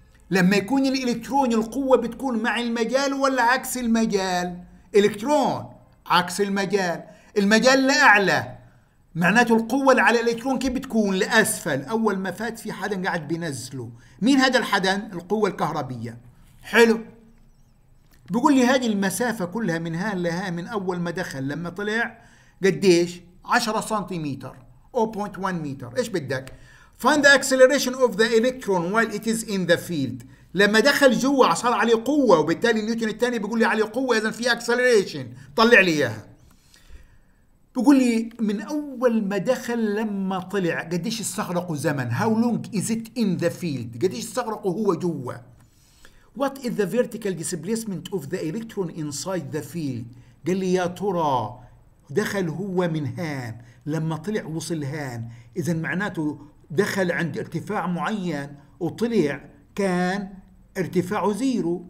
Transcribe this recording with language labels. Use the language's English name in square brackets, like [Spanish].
[Arabic] لما يكون الإلكترون القوة بتكون مع المجال ولا عكس المجال؟ إلكترون عكس المجال، المجال لأعلى، معناته القوة على الإلكترون كيف بتكون؟ لأسفل. أول ما فات في حدن قاعد بينزله، مين هذا الحدن؟ القوة الكهربية. حلو، بيقول لي هذه المسافة كلها من ها لها من أول ما دخل لما طلع قديش؟ 10 سنتيمتر أو 0.1 متر. [English] إيش بدك؟ Find the acceleration of the electron while it is in the field. [Arabic] لما دخل جوا صار عليه قوة، وبالتالي نيوتن الثاني بيقول لي عليه قوة، إذن في acceleration، طلع لي إياها. بيقول لي من أول ما دخل لما طلع قديش استغرقوا زمن؟ How long is it in the field؟ قديش استغرقوا هو جوا؟ What is the vertical displacement of the electron inside the field؟ قال لي يا ترى دخل هو من هان، لما طلع وصل هان، اذا معناته دخل عند ارتفاع معين وطلع كان ارتفاعه زيرو.